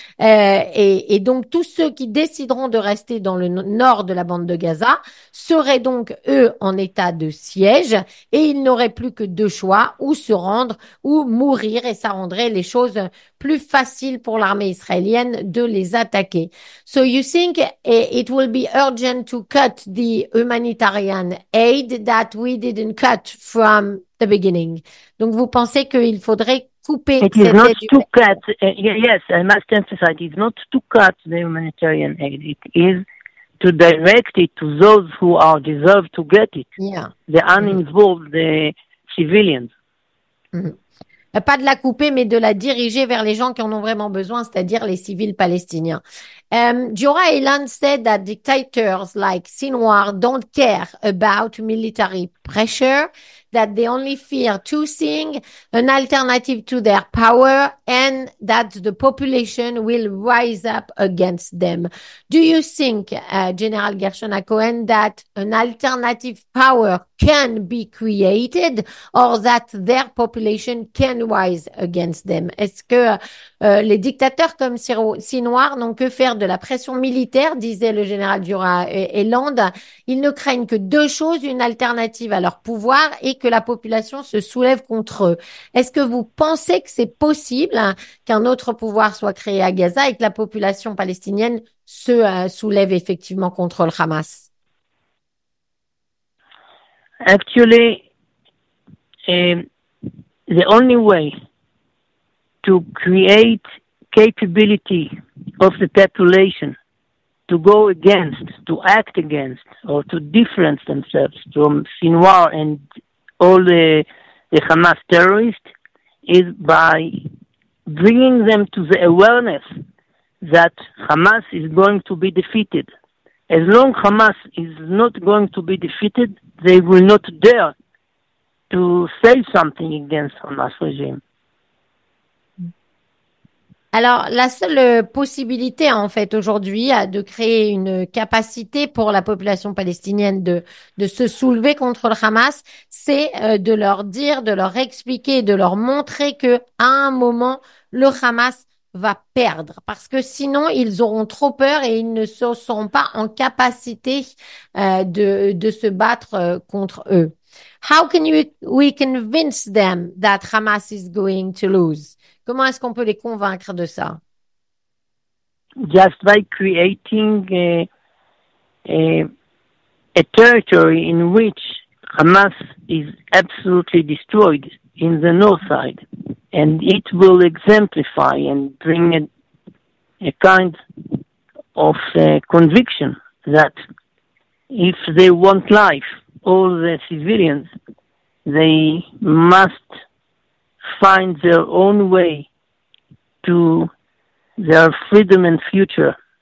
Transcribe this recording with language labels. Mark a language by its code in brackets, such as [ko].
[fr] Et donc, tous ceux qui décideront de rester dans le nord de la bande de Gaza seraient donc, eux, en état de siège et ils n'auraient plus que deux choix, ou se rendre ou mourir, et ça rendrait les choses plus faciles pour l'armée israélienne de les attaquer. [en] So you think it will be urgent to cut the humanitarian aid that we didn't cut from the beginning. [fr] Donc, vous pensez qu'il faudrait couper cette aide humanitaire. [en] It is not to cut. Yes, I must emphasize, it is not to cut the humanitarian aid. It is to direct it to those who are deserve to get it. Yeah. The uninvolved, the civilians. [fr] Pas de la couper, mais de la diriger vers les gens qui en ont vraiment besoin, c'est-à-dire les civils palestiniens. [en] Jora Eilan said that dictators like Sinwar don't care about military pressure, that they only fear two things, an alternative to their power, and that the population will rise up against them. Do you think, General Gershon HaKohen, that an alternative power can be created, or that their population can rise against them? [fr] Est-ce que les dictateurs comme Sinwar n'ont que faire de la pression militaire, disait le général Durand et Land. Ils ne craignent que deux choses, une alternative à leur pouvoir et que la population se soulève contre eux. Est-ce que vous pensez que c'est possible qu'un autre pouvoir soit créé à Gaza et que la population palestinienne se soulève effectivement contre le Hamas? [en] Actually, the only way to create capability of the population to go against, to act against, or to difference themselves from Sinwar and all the Hamas terrorists is by bringing them to the awareness that Hamas is going to be defeated. As long as Hamas is not going to be defeated, they will not dare to say something against Hamas regime. [fr] Alors, la seule possibilité, en fait, aujourd'hui, de créer une capacité pour la population palestinienne de se soulever contre le Hamas, c'est de leur dire, de leur expliquer, de leur montrer que, à un moment, le Hamas va perdre, parce que sinon ils auront trop peur et ils ne se seront pas en capacité de se battre contre eux. [en] How can we convince them that Hamas is going to lose? [fr] Comment est-ce qu'on peut les convaincre de ça? [en] Just by creating a territory in which Hamas is absolutely destroyed in the north side. And it will exemplify and bring a kind of conviction that if they want life, all the civilians, they must find their own way to their freedom and future.